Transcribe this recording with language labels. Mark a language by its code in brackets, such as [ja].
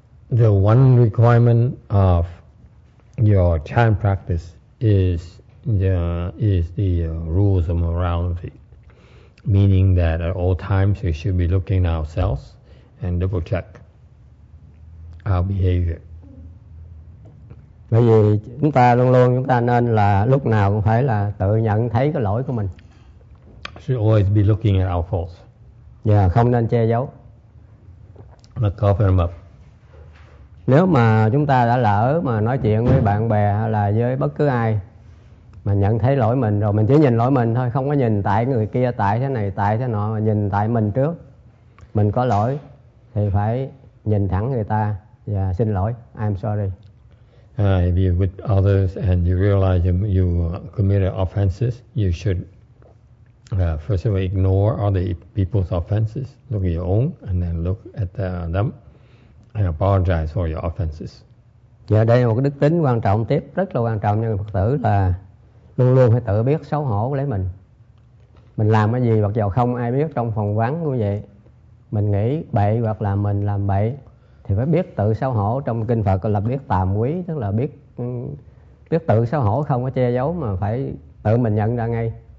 [en] The one requirement of your chan practice is rules of morality, meaning that at all times we should be looking at ourselves and double check our behavior. [vi] Bởi vì chúng ta luôn luôn chúng ta nên là lúc nào cũng phải là tự nhận thấy cái lỗi của mình. [en] Should always be looking at our faults. [vi] Yeah, không nên che giấu. [en] Not cover them up. [vi] Nếu mà chúng ta đã lỡ mà nói chuyện với bạn bè hay là với bất cứ ai mà nhận thấy lỗi mình rồi, mình chỉ nhìn lỗi mình thôi, không có nhìn tại người kia, tại thế này, tại thế nọ, mà nhìn tại mình trước, mình có lỗi thì phải nhìn thẳng người ta và xin lỗi. [en] I'm sorry. If you're with others and you realize you committed offenses, you should first of all ignore other people's offenses, look at your own, and then look at them and apologize for your offenses. [vi] Dạ, đây là một cái đức tính quan trọng tiếp, rất là quan trọng cho người Phật tử là luôn luôn phải tự biết xấu hổ lấy mình. Mình làm cái gì hoặc dầu không ai biết trong phòng vắng như vậy, mình nghĩ bậy hoặc là mình làm bậy thì phải biết tự xấu hổ. Trong kinh Phật là biết tàm quý, tức là biết tự xấu hổ, không có che giấu mà phải tự mình nhận ra ngay.